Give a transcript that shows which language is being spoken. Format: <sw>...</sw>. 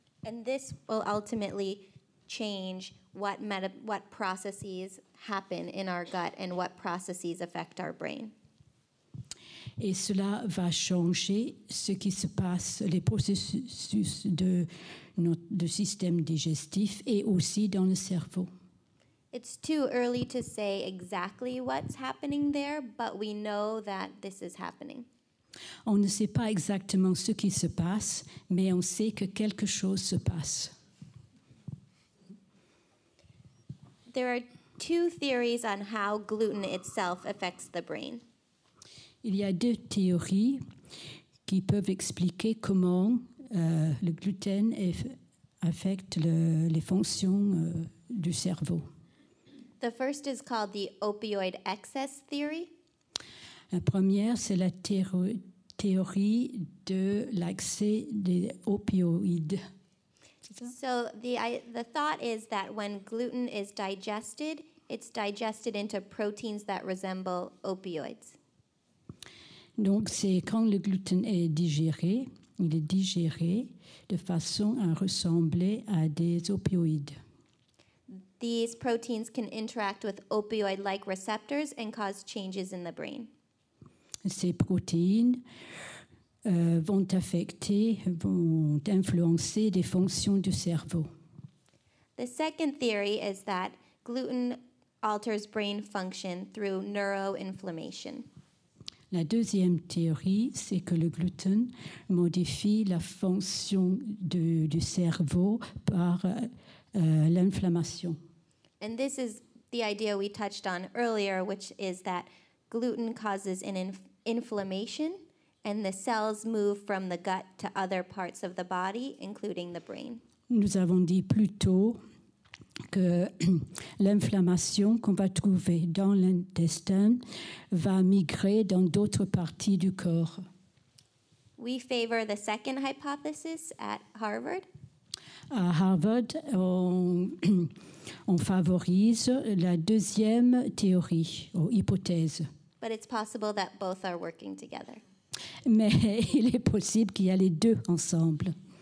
<en>And this will ultimately change what processes happen in our gut and what processes affect our brain.</en> <fr>Et cela va changer ce qui se passe, les processus de notre système digestif et aussi dans le cerveau.</fr> <en>It's too early to say exactly what's happening there, but we know that this is happening.</en> <fr>On ne sait pas exactement ce qui se passe, mais on sait que quelque chose se passe.</fr> <en>There are two theories on how gluten itself affects the brain.</en> <fr>Il y a deux théories qui peuvent expliquer comment le gluten affecte les fonctions du cerveau.</fr> <en>The first is called the opioid excess theory.</en> <fr>La première, c'est la théorie de l'excès des opioïdes.</fr> <en>So the thought is that when gluten is digested, it's digested into proteins that resemble opioids.</en> <fr>Donc c'est quand le gluten est digéré, il est digéré de façon à ressembler à des opioïdes.</fr> <en>These proteins can interact with opioid-like receptors and cause changes in the brain.</en> <fr>Ces protéines vont affecter, vont influencer des fonctions du cerveau.</fr> <en>The second theory is that gluten alters brain function through neuroinflammation.</en> <fr>La deuxième théorie, c'est que le gluten modifie la fonction du cerveau par l'inflammation.</fr> <en>And this is the idea we touched on earlier, which is that gluten causes an inflammation and the cells move from the gut to other parts of the body, including the brain.</en> <fr>Nous avons dit plus tôt que l'inflammation qu'on va trouver dans l'intestin va migrer dans d'autres parties du corps.</fr> <en>We favor the second hypothesis at Harvard.</en> <fr>À Harvard, on favorise la deuxième théorie ou hypothèse.</fr> <en>But it's possible that both are working together.</en> <fr>Mais il est possible qu'il y ait les deux ensemble.</fr>